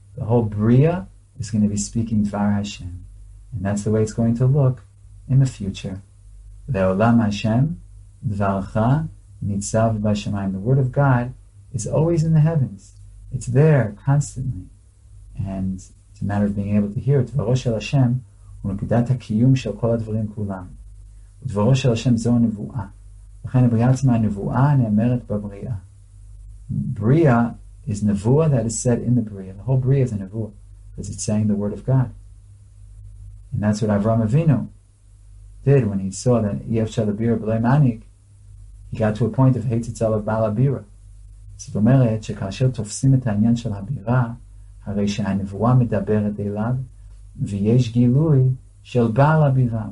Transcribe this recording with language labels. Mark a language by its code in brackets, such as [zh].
[en] The whole Bria is going to be speaking Dvar Hashem. And that's the way it's going to look in the future. [he] Le'olam Hashem, Dvarcha, Nitzav B'Hashemayim. [en] The word of God is always in the heavens. It's there constantly. And it's a matter of being able to hear it. [he] Dvaro Shel Hashem, ונקודת הקיום של כל הדברים כולם. ודברו של השם זו הנבואה. לכן הבריאה עצמה הנבואה נאמרת בבריאה. [en] בריאה is נבואה that is said in the בריאה. The whole בריאה is a נבואה, because it's saying the word of God. And that's what Avram Avinu did when he saw that [he] יפ של הבירה בלי מניק, [en] he got to a point of hate to tell of בעל הבירה. [he] זאת אומרת שכאשר תופסים את העניין של הבירה, הרי שהנבואה מדברת אליו, ויש גילוי של בעל הבירה.